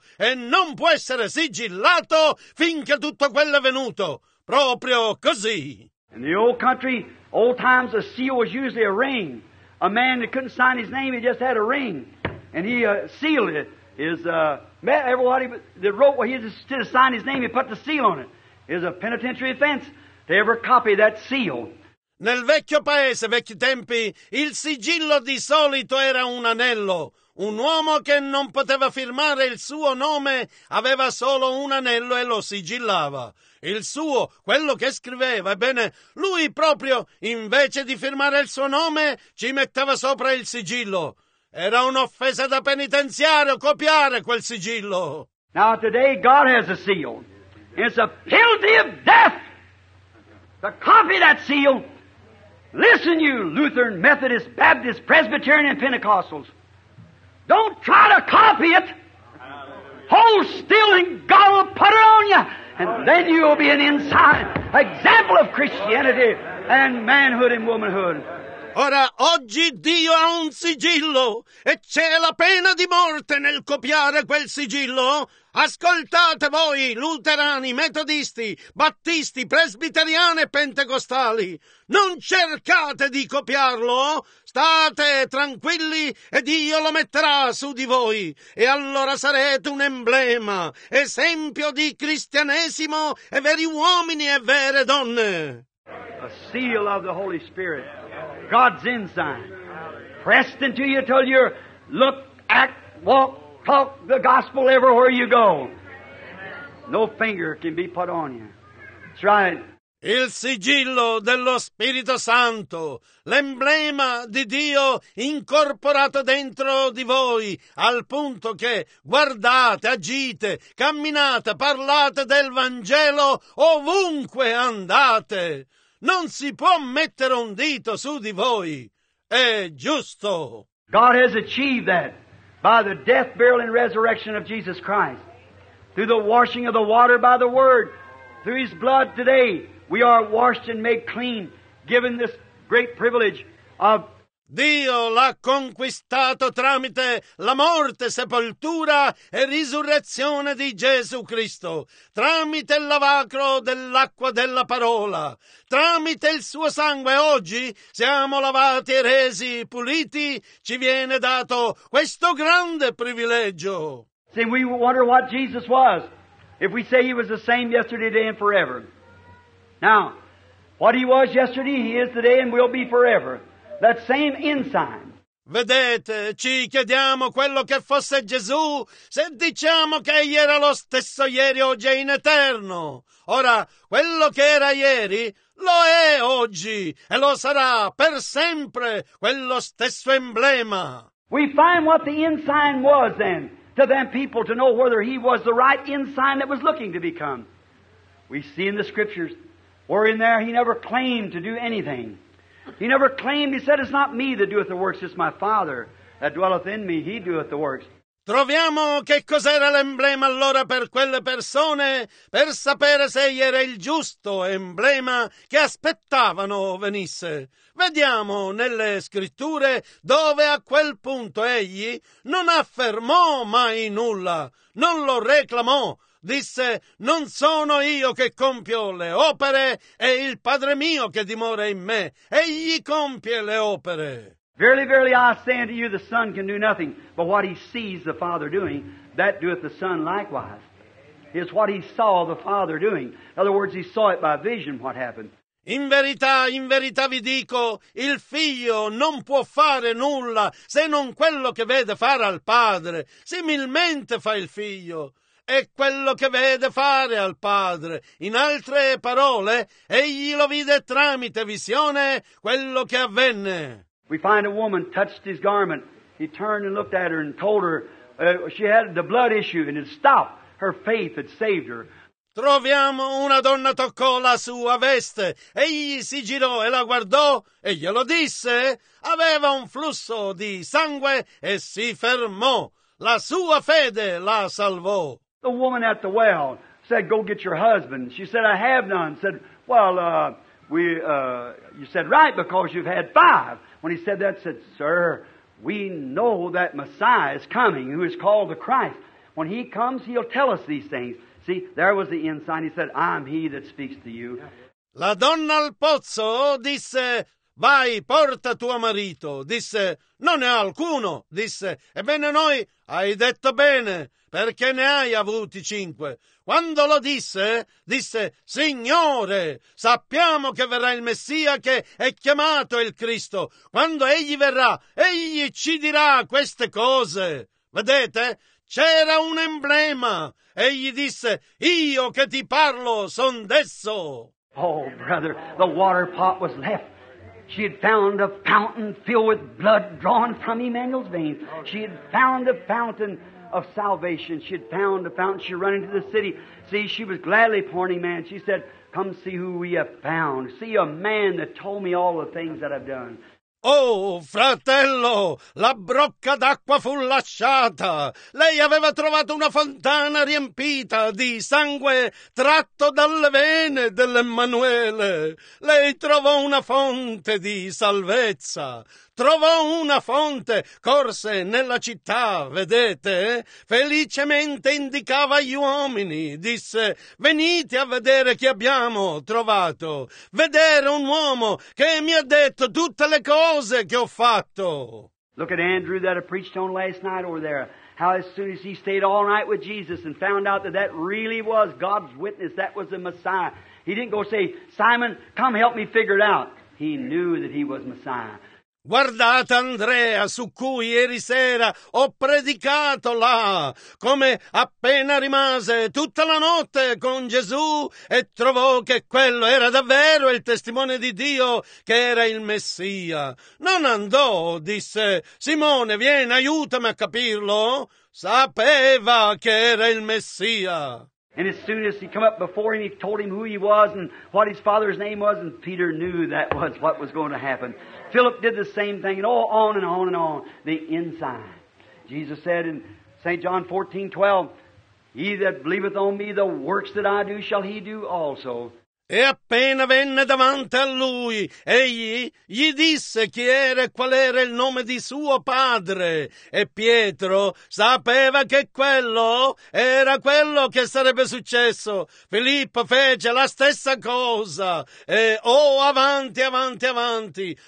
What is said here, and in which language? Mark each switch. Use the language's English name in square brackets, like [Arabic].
[Italian] E non può essere sigillato finché tutto quello è venuto. Proprio così. [English] In the old country, old times, a seal was usually a ring. A man that couldn't sign his name, he just had a ring. And he sealed it. Everybody that wrote, well, he just didn't sign his name, he put the seal on it. It was a penitentiary offense to ever copy that seal. [Italian] Nel vecchio paese, vecchi tempi, il sigillo di solito era un anello. Un uomo che non poteva firmare il suo nome aveva solo un anello e lo sigillava. Il suo, quello che scriveva, ebbene, lui proprio, invece di firmare il suo nome, ci metteva sopra il sigillo. Era un'offesa da penitenziario copiare quel sigillo. [English] Now today God has a seal. It's a penalty of death to copy that seal. Listen, you Lutheran, Methodist, Baptist, Presbyterian, and Pentecostals. Don't try to copy it. Hold still and God will put it on you. And then you will be an inside example of Christianity and manhood and womanhood. [Italian] Ora, oggi Dio ha un sigillo e c'è la pena di morte nel copiare quel sigillo. Ascoltate voi, luterani, metodisti, battisti, presbiteriani e pentecostali. Non cercate di copiarlo. State tranquilli e Dio lo metterà su di voi. E allora sarete un emblema, esempio di cristianesimo e veri uomini e vere donne. [English] A seal of the Holy Spirit. God's ensign. Pressed into you till you look, act, walk, talk the gospel everywhere you go. No finger can be put on you. That's right. [Italian] Il sigillo dello Spirito Santo, l'emblema di Dio incorporato dentro di voi, al punto che guardate, agite, camminate, parlate del Vangelo ovunque andate. Non si può mettere un dito su di voi. È giusto. [English] God has achieved that by the death, burial, and resurrection of Jesus Christ. Through the washing of the water by the Word. Through His blood today, we are washed and made clean, given this great privilege of... [Italian] Dio l'ha conquistato tramite la morte, sepoltura e risurrezione di Gesù Cristo, tramite il lavacro dell'acqua della parola, tramite il suo sangue. Oggi siamo lavati e resi puliti, ci viene dato questo grande privilegio. [English] See, we wonder what Jesus was, if we say He was the same yesterday, today and forever. Now, what He was yesterday, He is today and will be forever. That same ensign. [Italian] Vedete, ci chiediamo quello che fosse Gesù se diciamo che egli era lo stesso ieri, oggi e in eterno. Ora, quello che era ieri lo è oggi e lo sarà per sempre quello stesso emblema. [English] We find what the ensign was then to them people to know whether he was the right ensign that was looking to become. We see in the scriptures where in there he never claimed to do anything. He never claimed. He said, "It's not me that doeth the works, it's my Father that dwelleth in me. He doeth the works." [Italian] Troviamo che cos'era l'emblema allora per quelle persone, per sapere se era il giusto emblema che aspettavano venisse. Vediamo nelle scritture dove a quel punto egli non affermò mai nulla, non lo reclamò. Disse: non sono io che compio le opere, è il Padre mio che dimora in me. Egli compie le opere. [English] Verily, verily, I say unto you, the Son can do nothing, but what he sees the Father doing, that doeth the Son likewise. It's what he saw the Father doing. In other words, he saw it by vision what happened. [Italian] In verità vi dico, il figlio non può fare nulla se non quello che vede fare al Padre. Similmente fa il figlio. È quello che vede fare al Padre. In altre parole, egli lo vide tramite visione quello che avvenne. [English] We find a woman touched his garment. He turned and looked at her and told her she had the blood issue and it stopped. Her faith had saved her. [Italian] Troviamo una donna toccò la sua veste. Egli si girò e la guardò e glielo disse. Aveva un flusso di sangue e si fermò. La sua fede la salvò. [English] The woman at the well said, "Go get your husband." She said, "I have none." Said, "Well, you said right because you've had five." When he said that, said, "Sir, we know that Messiah is coming, who is called the Christ. When he comes, he'll tell us these things." See, there was the insight. He said, "I'm he that speaks to you." [Italian] La donna al pozzo disse, "Vai, porta tuo marito." Disse, "Non ne ha alcuno." Disse, "Ebbene noi, hai detto bene, perché ne hai avuti cinque." Quando lo disse, disse, "Signore, sappiamo che verrà il Messia che è chiamato il Cristo. Quando egli verrà, egli ci dirà queste cose." Vedete? C'era un emblema. Egli disse, "Io che ti parlo, son desso." [English] Oh, brother, the water pot was left. She had found a fountain filled with blood drawn from Emmanuel's veins. She had found a fountain of salvation. She had found a fountain. She ran into the city. See, she was gladly pointing, man. She said, "Come see who we have found. See a man that told me all the things that I've done." [Italian] Oh, fratello, la brocca d'acqua fu lasciata. Lei aveva trovato una fontana riempita di sangue tratto dalle vene dell'Emmanuele. Lei trovò una fonte di salvezza. Trovò una fonte, corse nella città, vedete? Felicemente indicava gli uomini, disse, "Venite a vedere chi abbiamo trovato, vedere un uomo che mi ha detto tutte le cose che ho fatto." [English] Look at Andrew that I preached on last night over there, how as soon as he stayed all night with Jesus and found out that really was God's witness, that was the Messiah, he didn't go say, "Simon, come help me figure it out." He knew that he was Messiah. [Italian] Guardate Andrea, su cui ieri sera ho predicato là, come appena rimase tutta la notte con Gesù e trovò che quello era davvero il testimone di Dio che era il Messia. Non andò, disse, "Simone, vieni, aiutami a capirlo." Sapeva che era il Messia. [English] And as soon as he came up before him, he told him who he was and what his father's name was, and Peter knew that was what was going to happen. Philip did the same thing, and oh, on and on and on, the inside. Jesus said in St. John 14:12, "He that believeth on me, the works that I do, shall he do also." [Italian] E appena venne davanti a lui, egli gli disse chi era e qual era il nome di suo padre. E Pietro sapeva che quello era quello che sarebbe successo. Filippo fece la stessa cosa. E avanti, avanti, avanti.